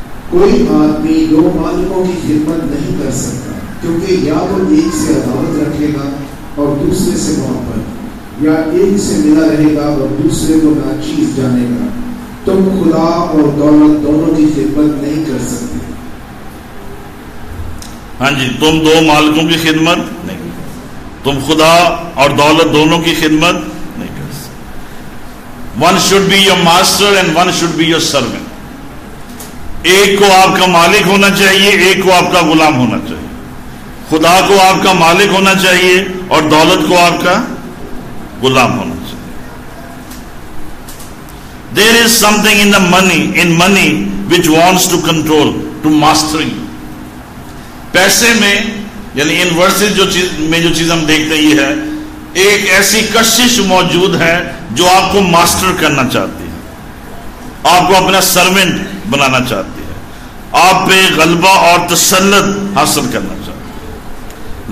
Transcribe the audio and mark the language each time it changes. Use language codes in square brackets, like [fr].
[hi] कोई आदमी दो मालिकों की खिदमत नहीं कर सकता, क्योंकि या तो एक से अदालत रखेगा और दूसरे से मोहब्बत, या एक से मिला रहेगा और दूसरे को नाचीज जानेगा। तुम खुदा और दौलत दोनों की खिदमत नहीं कर सकते। हाँ जी, तुम दो मालिकों की खिदमत नहीं, तुम खुदा और दौलत दोनों की खिदमत। [en] One should be your master and one should be your servant. [hi] एक को आपका मालिक होना चाहिए, एक को आपका गुलाम होना चाहिए। खुदा को आपका मालिक होना चाहिए और दौलत को आपका गुलाम होना चाहिए। [en] There is something in money which wants to control, to master you. [hi] पैसे में, यानी इन वर्सेस जो चीज हम देखते हैं, ये है एक ऐसी कशिश मौजूद है जो आपको मास्टर करना चाहती है, आपको अपना सर्वेंट बनाना चाहती है, आप पे गलबा और तसल्लत हासिल करना चाहती है।